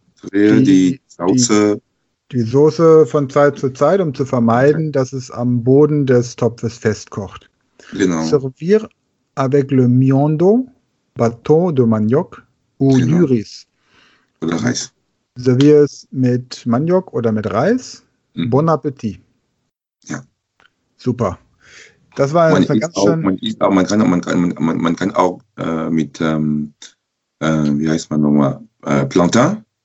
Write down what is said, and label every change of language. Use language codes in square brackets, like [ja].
[de] Drehe die Soße von Zeit zu Zeit, um zu vermeiden, dass es am Boden des Topfes festkocht. Genau. [fr] Servir avec le miondo, bâton de manioc ou du riz. [de] Oder Reis. Servier es mit Maniok oder mit Reis. Mhm. Bon Appetit. Ja. Super. Das war ein ganz schön. Man kann auch mit Plantain.